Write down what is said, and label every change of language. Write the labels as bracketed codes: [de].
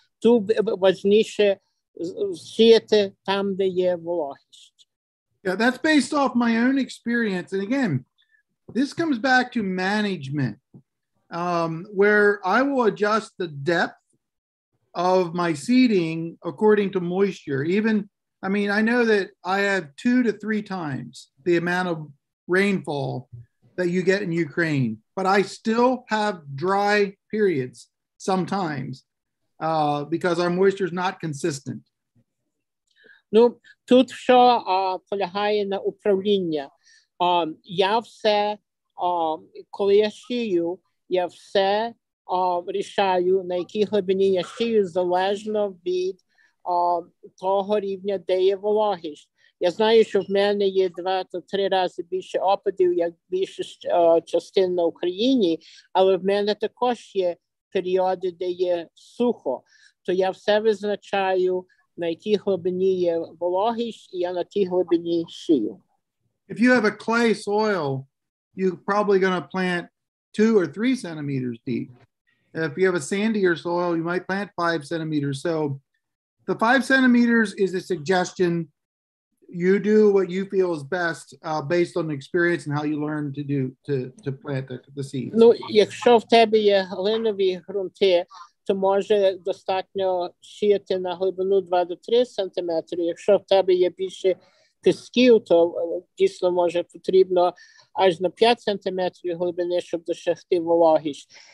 [uk] Тут важніше сіяти там, де є вологість. [en] Yeah, that's based off my own experience. And again, this comes back to management, where I will adjust the depth of my seeding according to moisture. Even, I mean, I know that I have 2 to 3 times the amount of rainfall that you get in Ukraine, but I still have dry periods sometimes because our moisture is not consistent. [uk] Ну, тут що полягає на управління. Я все, коли я сію, я все рішаю, на якій глибині я сію, залежно від того рівня, де є вологість. Я знаю, що в мене є 2 [en] to [uk] 3 рази більше опадів, як більше частин на Україні, але в мене також є періоди, де є сухо. То я все визначаю, на якій глибині є вологість, і я на тій глибині сію. [en] If you have a clay soil, you're probably going to plant 2 or 3 centimeters deep. If you have a sandier soil, you might plant 5 centimeters. So the 5 centimeters is a suggestion. You do what you feel is best based on experience and how you learn to do to plant the seeds. [uk] Ну, якщо в тебе є глинові ґрунти, то може достатньо сіяти на глибину 2 [en] to [uk] 3 сантиметри. Якщо в тебе є більше пісків, то дійсно може потрібно аж на 5 сантиметрів глибини, щоб досягти вологість.